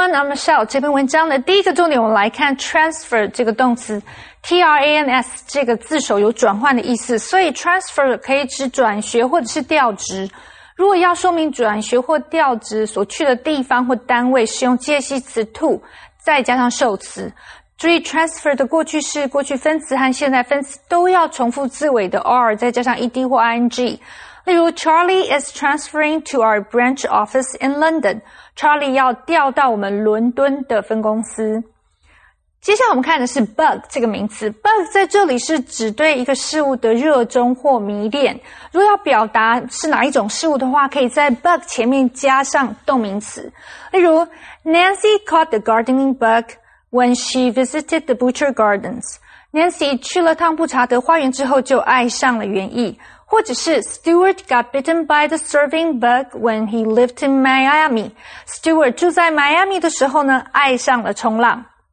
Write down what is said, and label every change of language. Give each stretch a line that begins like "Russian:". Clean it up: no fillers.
Chinese: Alan 和 Michelle 这篇文章的第一个重点，我们来看 transfer 这个动词 ，trans 这个字首有转换的意思，所以 transfer 可以指转学或者是调职。如果要说明转学或调职所去的地方或单位，是用介系词 to 再加上受词。注意 transfer 的过去式、过去分词和现在分词都要重复字尾的 r 再加上 ed 或 ing。例如
English: Charlie is transferring to our branch office in London.
Chinese: Charlie 要调到我们伦敦的分公司。接下来我们看的是 bug 这个名词。bug 在这里是指对一个事物的热衷或迷恋。如果要表达是哪一种事物的话，可以在 bug 前面加上动名词。例如
English: Nancy caught the gardening bug when she visited the Butcher Gardens.
Chinese: Nancy 去了趟布查德花园之后就爱上了园艺。或者是
English: Stewart got bitten by the serving bug when he lived in Miami.
Chinese: Stewart 住在 Miami 的时候呢，爱上了冲浪。